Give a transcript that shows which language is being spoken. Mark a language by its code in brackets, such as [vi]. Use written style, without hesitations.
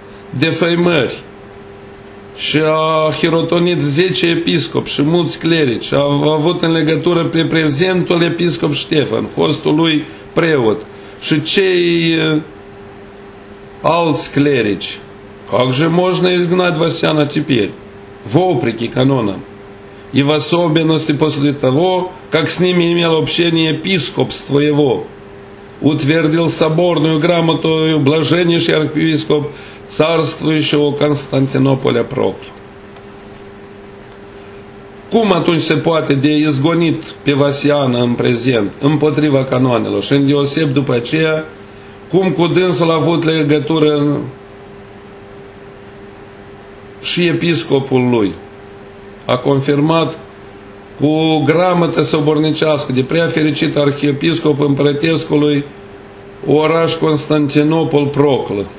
[ro] defăimări, și a hirotonit 10 episcopi și mulți clerici, a avut în legătură pe prezentul episcop Ștefan, fostul lui preot, și cei alți clerici. [ru] Как же можно изгнать Васяна теперь, вопреки канонам? И в особенности после того, как с ними имел общение епископство его, утвердил соборную грамоту блаженнейший архиепископ царствующего Константинополя Прокл. [ro] Cum atunci se poate de izgonit pe Vasian în prezent, împotriva canoanelor și îndeoseb după aceea, cum cu dânsul a avut legătură și episcopul lui a confirmat cu gramătă sobornicească de prea fericit arhiepiscop împărătescului oraș Constantinopol Procl.